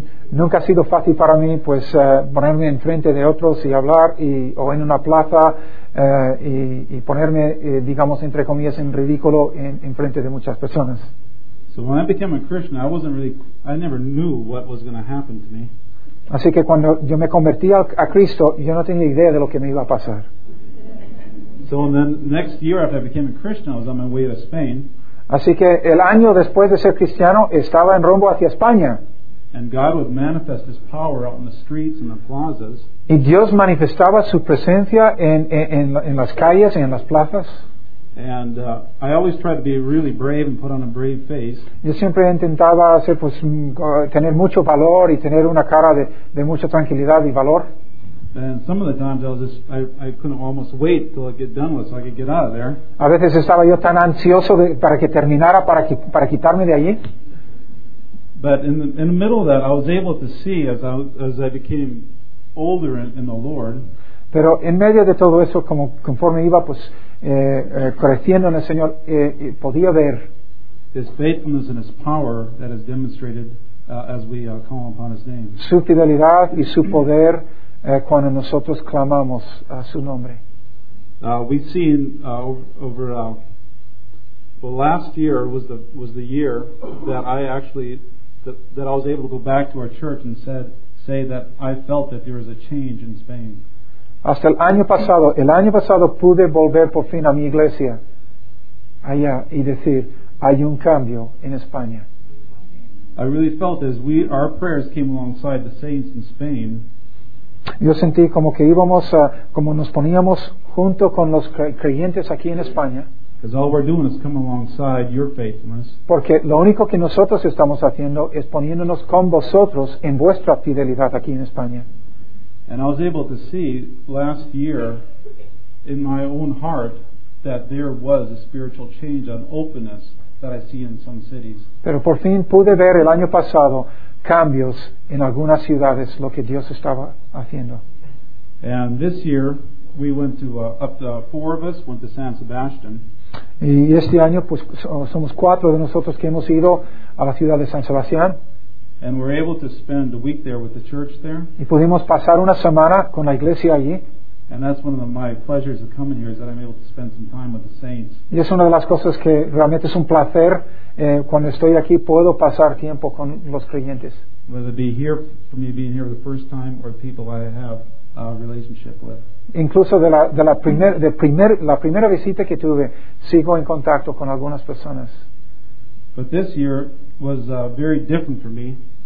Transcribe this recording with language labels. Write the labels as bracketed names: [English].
[Spanish] Nunca ha sido fácil para mí pues ponerme en frente de otros y hablar o en una plaza y ponerme digamos entre comillas en ridículo en frente de muchas personas. [English] So when I became a Christian, I never knew what was going to happen to me. [Spanish] Así que cuando yo me convertí a Cristo, yo no tenía idea de lo que me iba a pasar. [English] So then next year after I became a Christian, I was on my way to Spain. [Spanish] Así que el año después de ser cristiano estaba en rumbo hacia España. [English] And God would manifest His power out in the streets and the plazas. [Spanish] Y Dios manifestaba su presencia en las calles y en las plazas. [English] And I always tried to be really brave and put on a brave face. [Spanish] Yo siempre intentaba ser, pues, tener mucho valor y tener una cara de mucha tranquilidad y valor. [English] And some of the times I couldn't almost wait till I get done with, so I could get out of there. [Spanish] A veces estaba yo tan ansioso para que terminara para quitarme de allí. [English] But in the middle of that, I was able to see as I became older in the Lord. [Spanish] Pero en medio de todo eso, conforme iba pues creciendo en el Señor, podía ver [English] His faithfulness and His power that is demonstrated as we call upon His name. [Spanish] Su fidelidad y su poder cuando nosotros clamamos a su nombre. [English] We see over last year was the year that I actually that I was able to go back to our church and say that I felt that there was a change in Spain. [Spanish] Hasta el año pasado pude volver por fin a mi iglesia allá y decir hay un cambio en España. [English] I really felt as our prayers came alongside the saints in Spain. [Spanish] Yo sentí como que íbamos a, como nos poníamos junto con los creyentes aquí en España. [English] Because all we're doing is coming alongside your faithfulness. [Spanish] Porque lo único que nosotros estamos haciendo es poniéndonos con vosotros en vuestra fidelidad aquí en España. [English] And I was able to see last year in my own heart that there was a spiritual change, an openness that I see in some cities. [Spanish] Pero por fin pude ver el año pasado cambios en algunas ciudades, lo que Dios estaba haciendo. [English] And this year we went to up to four of us went to San Sebastian. [Spanish] Y este año pues somos cuatro de nosotros que hemos ido a la ciudad de San Sebastián. [English] And we're able to spend a week there with the church there. [Spanish] Y pudimos pasar una semana con la iglesia allí. [English] And that's one of my pleasures of coming here is that I'm able to spend some time with the saints. [Spanish] Y es una de las cosas que realmente es un placer cuando estoy aquí puedo pasar tiempo con los creyentes. [English] Whether it be here for me being here the first time or people I have a relationship with. [Spanish] Incluso de la primera visita que tuve sigo en contacto con algunas personas. [English] But this year was very different for me.